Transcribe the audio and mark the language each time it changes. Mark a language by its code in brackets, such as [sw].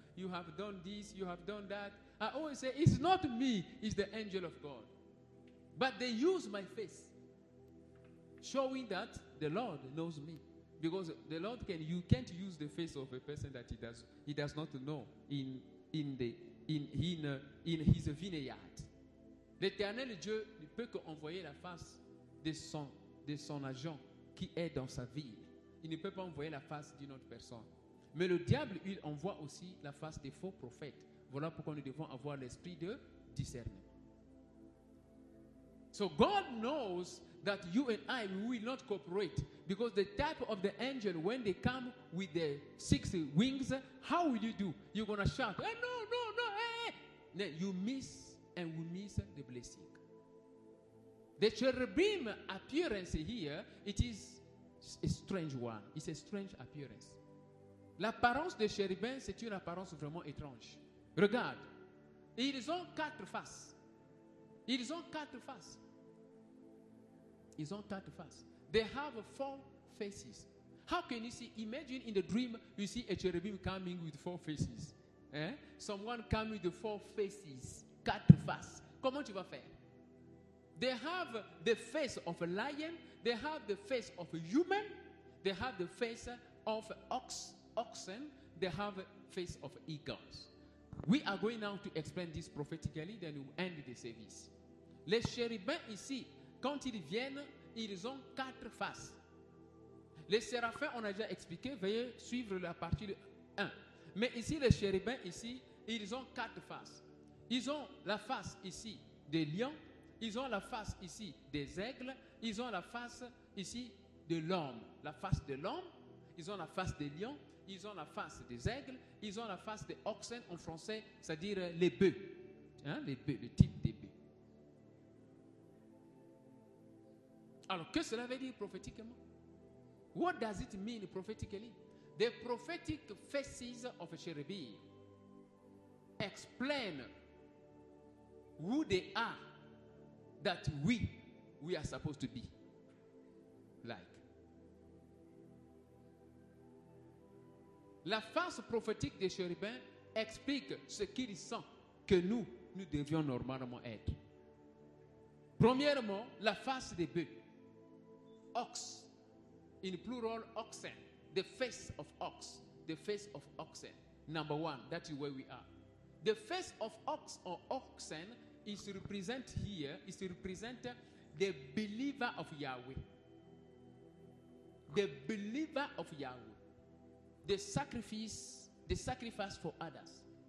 [en] You have done this, you have done that. I always say, it's not me, it's the angel of God. But they use my face, showing that the Lord knows me. Because the Lord can, you can't use the face of a person that he does not know in his vineyard. [fr] L'Éternel Dieu ne peut qu'envoyer la face de son agent qui est dans sa vie. Il ne peut pas envoyer la face d'une autre personne. Mais le diable, il envoie aussi la face des faux prophètes. Voilà pourquoi nous devons avoir l'esprit de discernement. [en] So God knows that you and I will not cooperate, because the type of the angel, when they come with the six wings, how will you do? You're going to shout, hey, no, no, no, hey. Then you miss and we miss the blessing. The cherubim appearance here, it is a strange one. It's a strange appearance. [fr] L'apparence de chérubin, c'est une apparence vraiment étrange. Regarde, ils ont quatre faces. Ils ont quatre faces. Ils ont quatre faces. [en] They have four faces. How can you see? Imagine in the dream, you see a cherubim coming with four faces. [fr] Hein? [en] Someone come with four faces. [fr] Quatre faces. Comment tu vas faire? [en] They have the face of a lion. They have the face of a human. They have the face of oxen. They have the face of eagles. We are going now to explain this prophetically, then we'll end the service. [fr] Les chérubins ici, quand ils viennent, ils ont quatre faces. Les séraphins, on a déjà expliqué, veuillez suivre la partie 1. Mais ici, les chérubins ici, ils ont quatre faces. Ils ont la face ici des lions, ils ont la face ici des aigles, ils ont la face ici de l'homme. La face de l'homme, ils ont la face des lions, ils ont la face des aigles, ils ont la face des oxen en français, c'est-à-dire les bœufs. Hein, les bœufs, le type des bœufs. Alors, que cela veut dire prophétiquement? [en] What does it mean prophetically? The prophetic faces of a cherubim explain who they are that we are supposed to be like. [fr] La face prophétique des chérubins explique ce qu'ils sont que nous, nous devions normalement être. Premièrement, la face des bœufs. [en] Ox, in plural oxen, the face of ox, the face of oxen, number one, that is where we are. The face of ox or oxen is represented here, is represented the believer of Yahweh, the believer of Yahweh, the sacrifice for others.